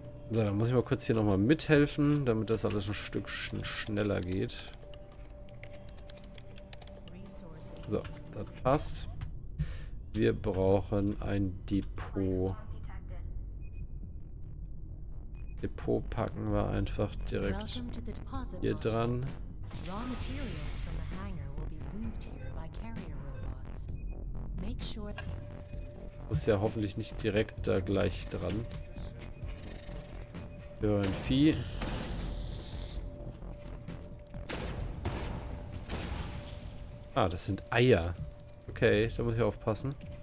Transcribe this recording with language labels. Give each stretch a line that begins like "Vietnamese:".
German: So, dann muss ich mal kurz hier nochmal mithelfen, damit das alles ein Stück schneller geht. So, das passt. Wir brauchen ein Depot. Depot packen wir einfach direkt hier dran.
English: Raw materials from the hangar will be moved here by carrier robots. Make sure.
German: Muss ja hoffentlich nicht direkt da gleich dran. Wir hören Vieh. Ah, das sind Eier. Okay, da muss ich aufpassen.